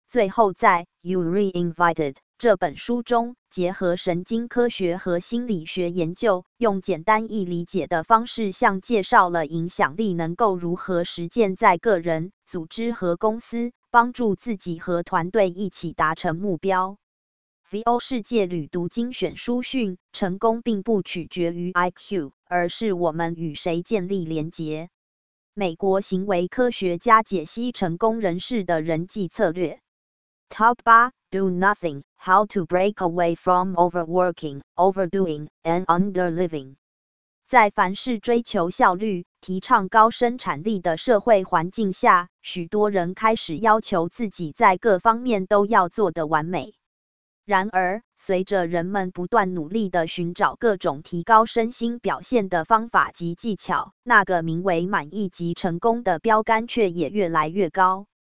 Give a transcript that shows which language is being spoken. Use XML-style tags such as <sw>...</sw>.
<zh>最后在 You Reinvited 这本书中，结合神经科学和心理学研究，用简单易理解的方式向介绍了影响力能够如何实践在个人、组织和公司，帮助自己和团队一起达成目标。 VO 世界旅读精选书讯：成功并不取决于 IQ， 而是我们与谁建立连结。美国行为科学家解析成功人士的人际策略。</zh> <en>Top 8, Do Nothing, How to Break Away from Overworking, Overdoing, and Underliving.</en> <zh>在凡事追求效率、提倡高生产力的社会环境下，许多人开始要求自己在各方面都要做得完美。然而，随着人们不断努力地寻找各种提高身心表现的方法及技巧，那个名为满意及成功的标杆却也越来越高。</zh>